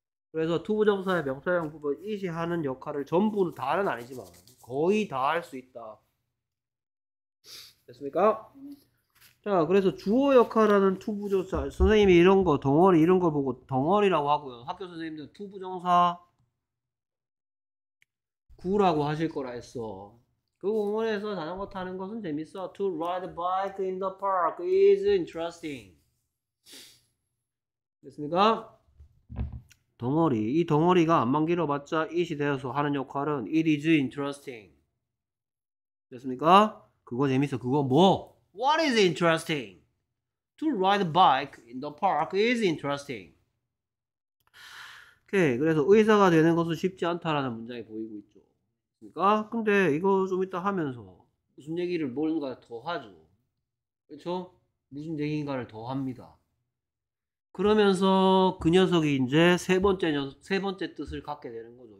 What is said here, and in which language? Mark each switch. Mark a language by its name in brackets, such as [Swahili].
[Korean] 그래서 to 부정사의 명사형 부분 이 시간은 역할을 전부 다는 아니지만 거의 다 할 수 있다. 됐습니까? 자, 그래서 주어 역할하는 to 부정사 선생님이 이런 거 덩어리 이런 걸 보고 덩어리라고 하고요. 학교 선생님들 to 부정사 구라고 하실 거라 했어. 그 공원에서 자전거 타는 것은 재밌어. [English] To ride a bike in the park is interesting. [Korean] 됐습니까? 덩어리. 이 덩어리가 안만 길어봤자 it이 되어서 하는 역할은 [English] it is interesting. [Korean] 됐습니까? 그거 재밌어. 그거 뭐? [English] What is interesting? To ride a bike in the park is interesting. [Korean] 오케이. 그래서 의사가 되는 것은 쉽지 않다라는 문장이 보이고 있죠. 그니까 근데 이거 좀 이따 하면서 무슨 얘기를 뭔가 더 하죠. 그렇죠? 무슨 얘기인가를 더 합니다. 그러면서 그 녀석이 이제 세 번째 뜻을 갖게 되는 거죠.